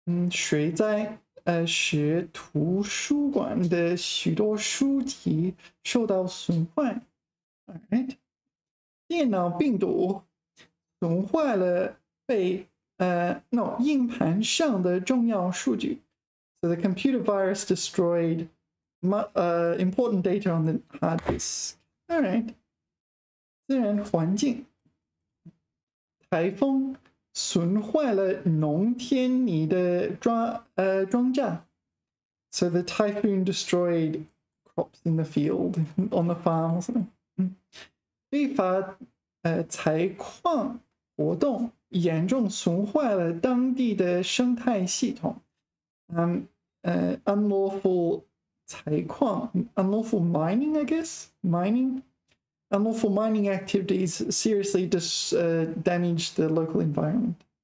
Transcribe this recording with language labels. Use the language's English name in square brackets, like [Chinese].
[Chinese] 水灾使图书馆的许多书籍受到损坏。 All right. 电脑病毒损坏了被。 No, 硬盘上的重要数据。 [English] So the computer virus destroyed important data on the hard disk. [Chinese] All right. 自然环境。台风损坏了农田里的庄稼。 [English] So the typhoon destroyed crops in the field, on the farm or something. [Chinese] 非法采矿活动。严重损坏了当地的生态系统。 [English] Unlawful 采矿 ，unlawful mining, I guess mining, unlawful mining activities seriously damaged the local environment.